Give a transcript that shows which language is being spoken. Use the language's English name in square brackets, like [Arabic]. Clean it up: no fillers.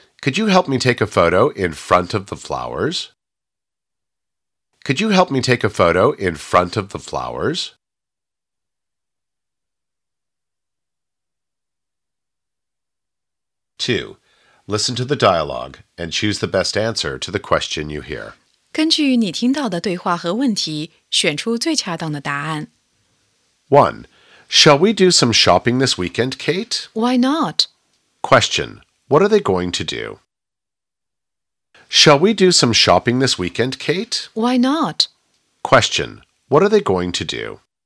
[English] Could you help me take a photo in front of the flowers? Could you help me take a photo in front of the flowers? 2. Listen to the dialogue and choose the best answer to the question you hear. [Chinese] 根据你听到的对话和问题，选出最恰当的答案。 1. [English] Shall we do some shopping this weekend, Kate? Why not? Question. What are they going to do? Shall we do some shopping this weekend, Kate? Why not? Question. What are they going to do?